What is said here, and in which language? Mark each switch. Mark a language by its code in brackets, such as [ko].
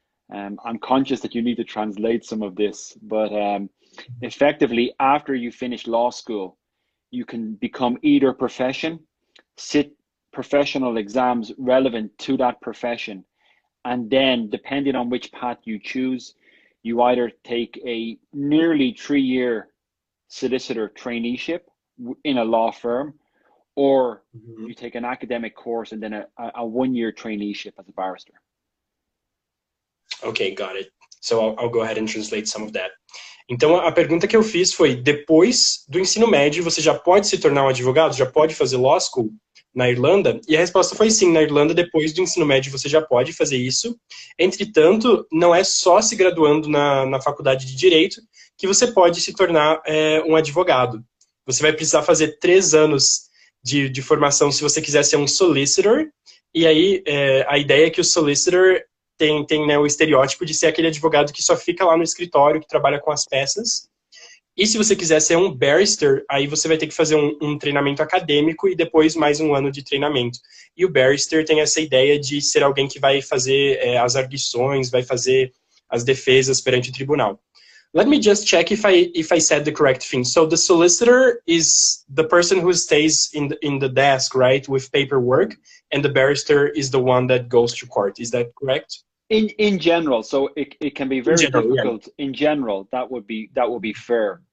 [en] I'm conscious that you need to translate some of this, but effectively, after you finish law school, you can become either profession, sit professional exams relevant to that profession, and then, depending on which path you choose, you either take a nearly 3-year solicitor traineeship in a law firm, or you take an academic course and then a 1-year traineeship as a barrister. Okay, got it. So I'll go ahead and translate some of that. [pt] Então, a pergunta que eu fiz foi, depois do ensino médio, você já pode se tornar um advogado? Já pode fazer law school na Irlanda? E a resposta foi sim, na Irlanda, depois do ensino médio, você já pode fazer isso. Entretanto, não é só se graduando na faculdade de direito que você pode se tornar um advogado. Você vai precisar fazer 3 anos de formação se você quiser ser um solicitor. E aí, a ideia é que o solicitor tem né, o estereótipo de ser aquele advogado que só fica lá no escritório, que trabalha com as peças. E se você quiser ser um barrister, aí você vai ter que fazer um treinamento acadêmico e depois mais 1 ano de treinamento. E o barrister tem essa ideia de ser alguém que vai fazer as arguições, vai fazer as defesas perante o tribunal. [en] Let me just check if I said the correct thing. So the solicitor is the person who stays in the desk, right, with paperwork, and the barrister is the one that goes to court. Is that correct? In general, so it can be very difficult. Yeah. In general, that would be fair.